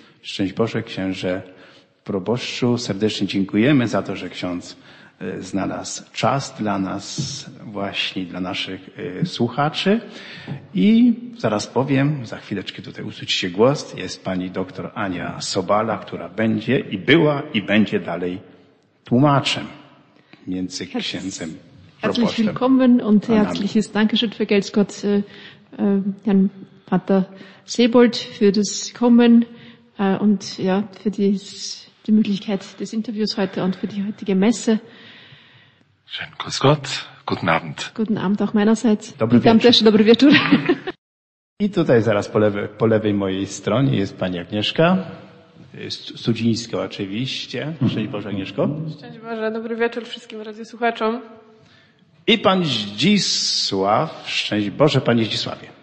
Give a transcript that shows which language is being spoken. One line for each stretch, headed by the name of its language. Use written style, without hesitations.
Polish: Szczęść Boże, księże proboszczu, serdecznie dziękujemy za to, że ksiądz znalazł czas dla nas, właśnie dla naszych słuchaczy. I zaraz powiem, za chwileczkę tutaj usłyszycie głos, jest pani doktor Ania Sobala, która będzie i była i będzie dalej tłumaczem między księdzem proboszczem.
German: Herzlich willkommen und herzliches Dankeschön für Geld Gott, Herrn Pater Seybold für das Kommen und ja, für die Möglichkeit des Interviews heute und für die heutige Messe. Schön, grüß Gott, guten Abend. Guten Abend auch meinerseits.
Polish: Dobry witam wieczór. Też, dobry wieczór. I tutaj zaraz po lewej mojej stronie jest pani Agnieszka, Studzińska oczywiście. Szczęść Boże, Agnieszko. Szczęść Boże, dobry wieczór wszystkim radiosłuchaczom. I pan Zdzisław, szczęść Boże, panie Zdzisławie.